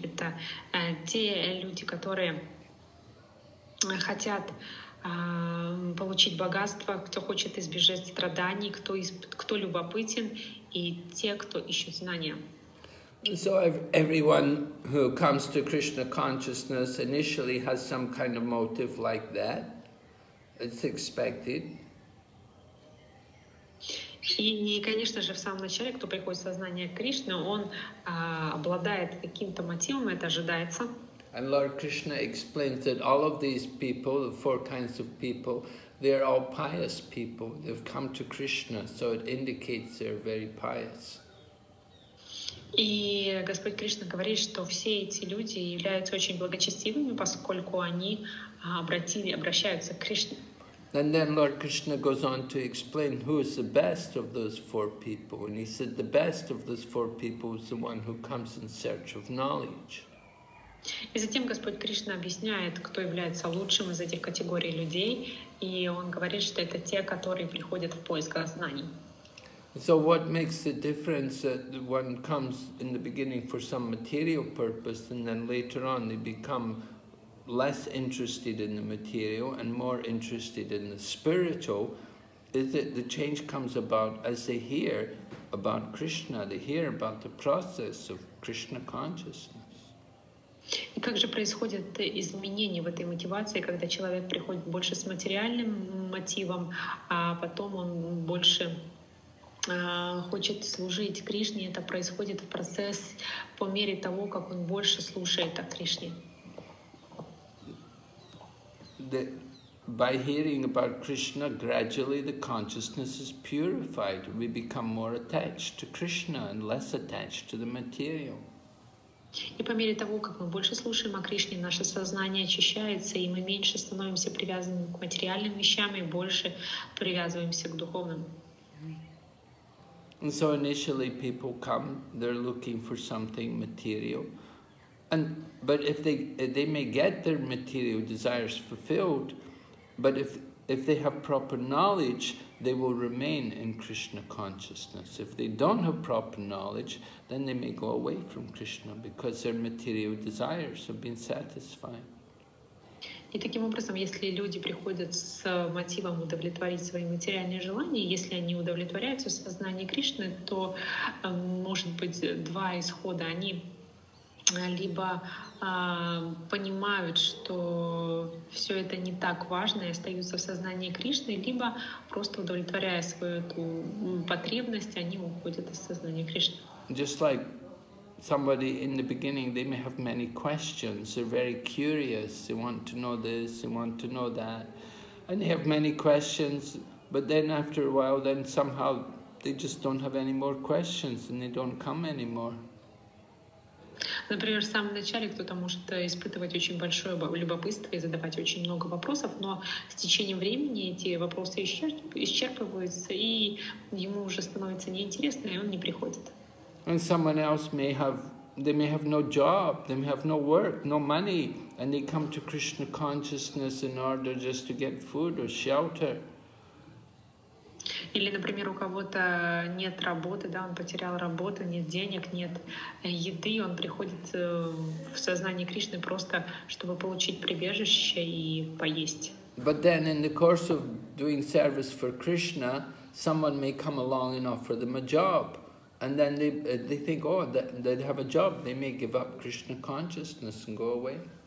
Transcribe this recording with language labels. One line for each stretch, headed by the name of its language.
Russian: Это те люди, которые хотят получить богатство, кто хочет избежать страданий, кто любопытен, и те, кто ищет знания.
English: So everyone who comes to Krishna consciousness initially has some kind of motive like that. It's expected.
Russian: И, конечно же, в самом начале, кто приходит в сознание Кришны, он обладает каким-то мотивом, это ожидается.
English: And Lord Krishna explains that all of these people, the four kinds of people, they're all pious people. They've come to Krishna, so it indicates they're very pious.
Russian: И Господь Кришна говорит, что все эти люди являются очень благочестивыми, поскольку они обращаются к Кришне.
English: And then Lord Krishna goes on to explain who is the best of those four people. And he said the best of those four people is the one who comes in search of knowledge.
Russian: И затем Господь Кришна объясняет, кто является лучшим из этих категорий людей. И он говорит, что это те, которые приходят в поисках знаний.
English: So what makes the difference that one comes in the beginning for some material purpose and then later on they become less interested in the material and more interested in the spiritual is that the change comes about as they hear about Krishna, they hear about the process of Krishna consciousness.
Russian: И как же происходят изменения в этой мотивации, когда человек приходит больше с материальным мотивом, а потом он больше хочет служить Кришне, это происходит в процесс по мере того, как он больше слушает о Кришне.
English: By hearing about Krishna, gradually the consciousness is purified. We become more attached to Krishna and less attached to the material.
Russian: И по мере того, как мы больше слушаем о Кришне, наше сознание очищается, и мы меньше становимся привязанными к материальным вещам и больше привязываемся к духовным.
English: And so initially people come, they're looking for something material. But if they may get their material desires fulfilled, but if they have proper knowledge, they will remain in Krishna consciousness. If they don't have proper knowledge, then they may go away from Krishna because their material desires have been satisfied.
Russian: И таким образом, если люди приходят с мотивом удовлетворить свои материальные желания, если они удовлетворяются в сознании Кришны, то, может быть, два исхода. Они либо понимают, что все это не так важно и остаются в сознании Кришны, либо, просто удовлетворяя свою эту потребность, они уходят из сознания Кришны.
English: Just like somebody in the beginning, they may have many questions, they're very curious, they want to know this, they want to know that, and they have many questions, but then after a while, then somehow they just don't have any more questions and they don't come anymore.
Russian: Например, в самом начале кто-то может испытывать очень большое любопытство и задавать очень много вопросов, но с течением времени эти вопросы исчерпываются, и ему уже становится неинтересно, и он не приходит.
English: And someone else may have, they may have no job, they may have no work, no money, and they come to Krishna consciousness in order just to get food or shelter.
Russian: Или, например, у кого-то нет работы, да, он потерял работу, нет денег, нет еды, он приходит в сознание Кришны просто, чтобы получить прибежище и поесть.
English: But then in the course of doing service for Krishna, someone may come along and offer them a job. And then they think, oh, they have a job, they may give up Krishna consciousness and go away.